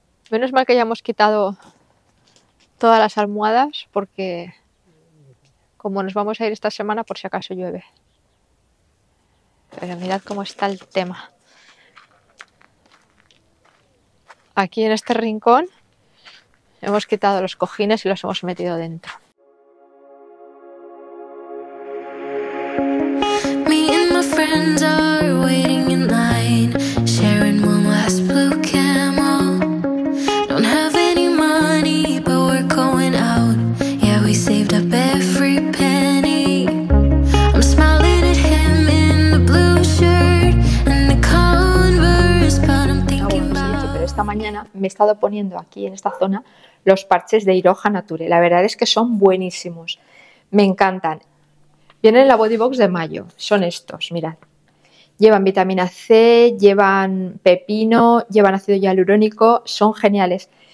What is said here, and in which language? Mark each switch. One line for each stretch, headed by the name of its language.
Spanish: Menos mal que hayamos quitado todas las almohadas, porque como nos vamos a ir esta semana, por si acaso llueve. Pero mirad cómo está el tema. Aquí en este rincón hemos quitado los cojines y los hemos metido dentro.
English: Me and my friends are waiting in line, sharing one last blue camel. Don't have any money, but we're going out. Yeah, we saved up every penny. I'm smiling at him in the blue shirt and the Converse, but I'm thinking about.
Spanish: Esta mañana me he estado poniendo aquí en esta zona los parches de Iroha Nature. La verdad es que son buenísimos. Me encantan. Vienen en la Body Box de mayo. Son estos, mirad. Llevan vitamina C, llevan pepino, llevan ácido hialurónico. Son geniales.